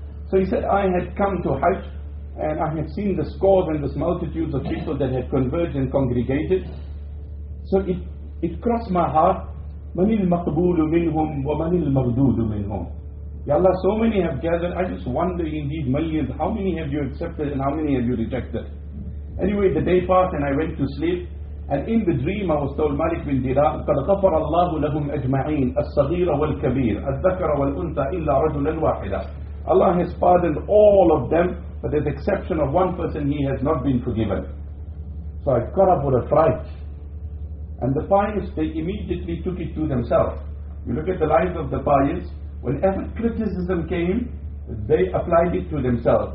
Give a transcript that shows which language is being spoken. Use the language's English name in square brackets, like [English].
[English] So he said, I had come to Hajj, and I had seen the scores and the multitudes of people that had converged and congregated. So it crossed my heart [Arabic] مَنِ الْمَقْبُولُ مِنْهُمْ وَمَنِ الْمَرْدُودُ مِنْهُمْ. [English] Ya Allah, so many have gathered. I just wonder in these millions, how many have you accepted and how many have you rejected? Anyway, the day passed and I went to sleep. And in the dream, I was told, Malik bin Dirham, [Arabic] قَدْ غَفَرَ اللَّهُ لَهُمْ أَجْمَعِينَ الصَّغِيرَ وَالْكَبِيرَ الذَّكَرَ وَالْأُنْثَى إِلَّا رَجُلًا وَاحِدًا. [English] Allah has pardoned all of them, but there's exception of one person, he has not been forgiven. So I got up with a fright. And the pious, they immediately took it to themselves. You look at the life of the pious, whenever criticism came, they applied it to themselves.